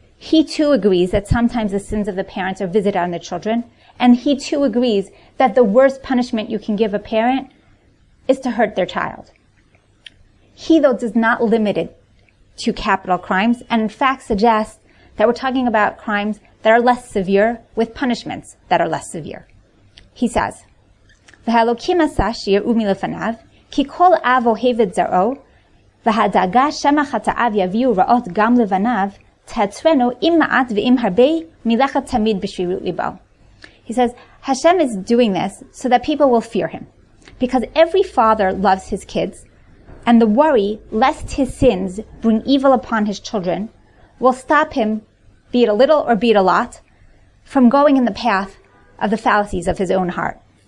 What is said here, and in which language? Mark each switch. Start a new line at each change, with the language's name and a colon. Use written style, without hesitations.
English: He too agrees that sometimes the sins of the parents are visited on the children, and he too agrees that the worst punishment you can give a parent is to hurt their child. He, though, does not limit it to capital crimes, and in fact suggests that we're talking about crimes that are less severe with punishments that are less severe. He says,
Hebrew: V'halokim asa shir'u milefanav, כי כל אב אוהב את זרעו, והדאגה שמא חטאיו יביאו רעות גם לבניו, תעצרנו עם מעט ועם הרבה, מלכת תמיד בשרירות ליבו.
English: He says, Hashem is doing this so that people will fear him. Because every father loves his kids, and the worry lest his sins bring evil upon his children will stop him, be it a little or be it a lot, from going in the path of the fallacies of his own heart.